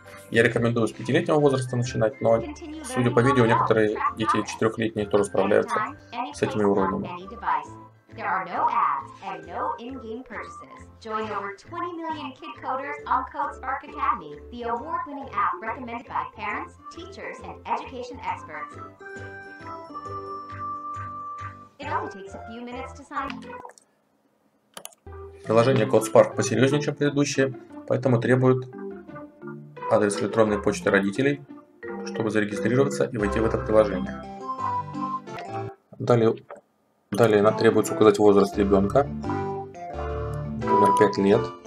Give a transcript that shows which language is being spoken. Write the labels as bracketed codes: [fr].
[ru] Я рекомендую с 5-летнего возраста начинать, но, судя по видео, некоторые дети 4-летние тоже справляются с этими уровнями. [en] There are no ads and no in-game purchases. Join over 20 million kid coders on CodeSpark Academy, the award-winning app recommended by parents, teachers, and education experts. It only takes a few minutes to sign up. [ru] Приложение CodeSpark посерьезнее, чем предыдущее, поэтому требует адрес электронной почты родителей, чтобы зарегистрироваться и войти в это приложение. Далее нам требуется указать возраст ребенка, например, 5 лет.